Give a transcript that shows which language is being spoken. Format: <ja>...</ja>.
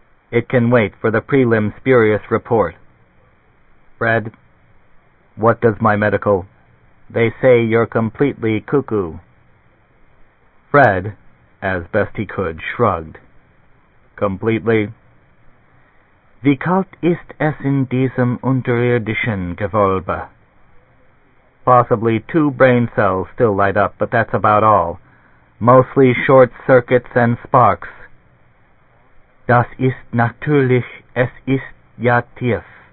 <en>"It can wait for the prelim spurious report." "Fred?" "What does my medical..." "They say you're completely cuckoo." Fred, as best he could, shrugged. "Completely?"</en> <de>"Wie kalt ist es in diesem unterirdischen Gewölbe?"</de> <en>"Possibly 2 brain cells still light up, but that's about all. Mostly short circuits and sparks."</en> <de>"Das ist natürlich, es ist ja tief."</de>